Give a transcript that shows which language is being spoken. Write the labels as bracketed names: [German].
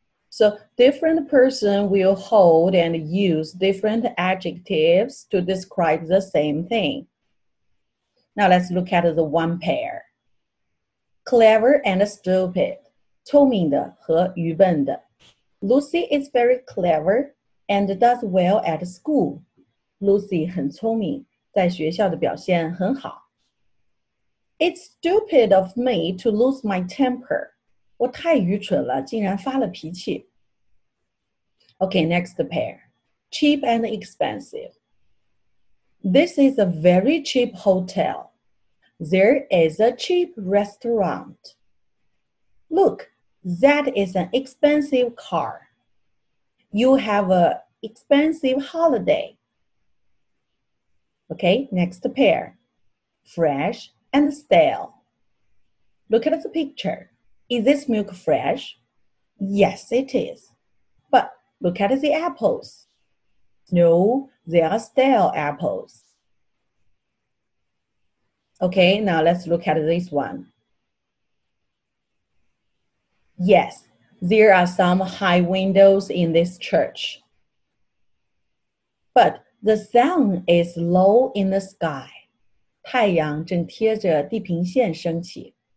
[English] So different person will hold and use different adjectives to describe the same thing. Now let's look at the one pair. Clever and stupid. [Chinese] 聪明的和愚笨的。 [English] Lucy is very clever and does well at school. [Chinese] Lucy 很聪明，在学校的表现很好。 [English] It's stupid of me to lose my temper. [Chinese] 我太愚蠢了，竟然发了脾气。 [English] Okay, next pair. Cheap and expensive. This is a very cheap hotel. There is a cheap restaurant. Look. That is an expensive car. You have an expensive holiday. Okay, next pair. Fresh and stale. Look at the picture. Is this milk fresh? Yes, it is. But look at the apples. No, they are stale apples. Okay, now let's look at this one. Yes, there are some high windows in this church. But the sun is low in the sky. [Chinese] 太阳正贴着地平线升起。